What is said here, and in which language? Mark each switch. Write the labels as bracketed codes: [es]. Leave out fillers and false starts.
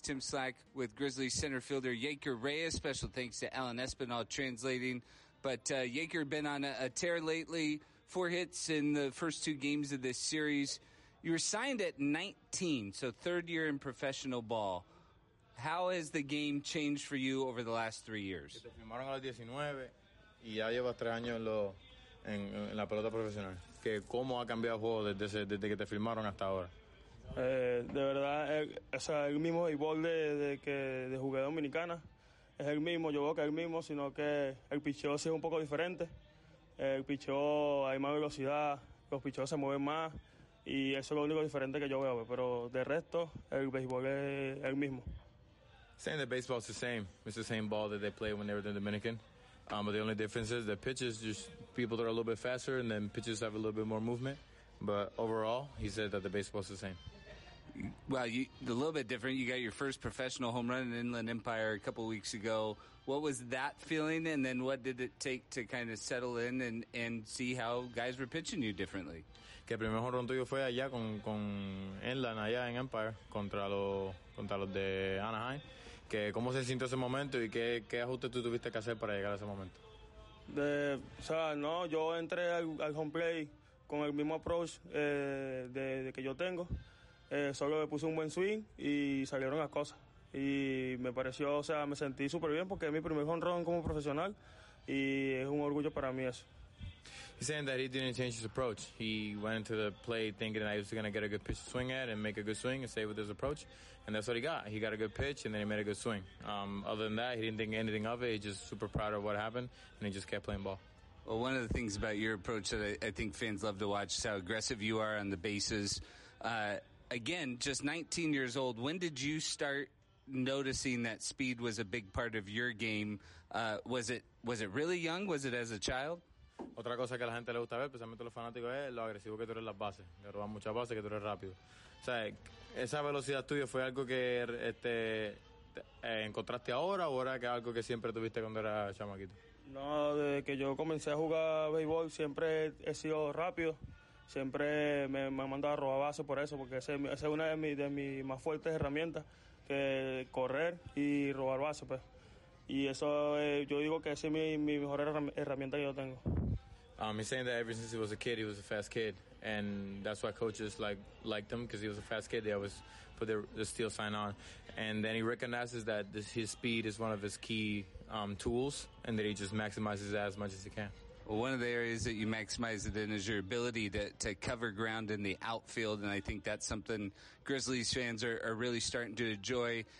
[en] Tim Slack with Grizzlies center fielder Yaker Reyes. Special thanks to Alan Espinal translating. But Yaker been on a tear lately. Four hits in the first two games of this series. You were signed at 19, so third year in professional ball. How has the game changed for you over the last 3 years? [es] Te firmaron a los 19 y ya llevas 3 años en la pelota profesional. ¿Que cómo ha cambiado el juego desde que te firmaron hasta ahora? De verdad, el mismo béisbol de jugué dominicana. Es el mismo, yo veo que es el mismo, sino que el picheo sí es un poco diferente. El picheo, hay más velocidad, los picheos se mueven más. Y eso es lo único diferente que yo veo, pero de resto, el béisbol es el mismo. [en] Saying that baseball is the same. It's the same ball that they play when they were in the Dominican. But the only difference is the pitches, just people that are a little bit faster and then pitches have a little bit more movement. But overall, he said that the baseball is the same. Well, you, a little bit different. You got your first professional home run in Inland Empire a couple weeks ago. What was that feeling? And then what did it take to kind of settle in and see how guys were pitching you differently? [es] Que el primer home run tuyo fue allá con Inland, allá en Empire, contra los de Anaheim. Que cómo se sintió ese momento y qué ajuste tú tuviste que hacer para llegar a ese momento? Yo entré al home play con el mismo approach de que yo tengo. Solo me puse un buen swing y salieron las cosas. Y me pareció, me sentí súper bien porque es mi primer home run como profesional y es un orgullo para mí eso. [en] He's saying that he didn't change his approach. He went into the play thinking that he was going to get a good pitch to swing at and make a good swing and stay with his approach. And that's what he got. He got a good pitch and then he made a good swing. Other than that, he didn't think anything of it. He's just super proud of what happened and he just kept playing ball. Well, one of the things about your approach that I think fans love to watch is how aggressive you are on the bases. Again, just 19 years old, when did you start noticing that speed was a big part of your game? Was it really young? Was it as a child? [es] Otra cosa que a la gente le gusta ver, especialmente los fanáticos, es lo agresivo que tú eres en las bases. Que robas muchas bases, que tú eres rápido. O sea, ¿esa velocidad tuya fue algo que encontraste ahora o era que algo que siempre tuviste cuando eras chamaquito? No, desde que yo comencé a jugar béisbol siempre he sido rápido. Siempre me han mandado a robar bases por eso, porque esa es una de mis más fuertes herramientas, que correr y robar bases. Pues. Y eso, yo digo que esa es mi mejor herramienta que yo tengo. [en] He's saying that ever since he was a kid, he was a fast kid. And that's why coaches liked him, because he was a fast kid. They always put the steel sign on. And then he recognizes that his speed is one of his key tools, and that he just maximizes that as much as he can. Well, one of the areas that you maximize it in is your ability to cover ground in the outfield, and I think that's something Grizzlies fans are really starting to enjoy.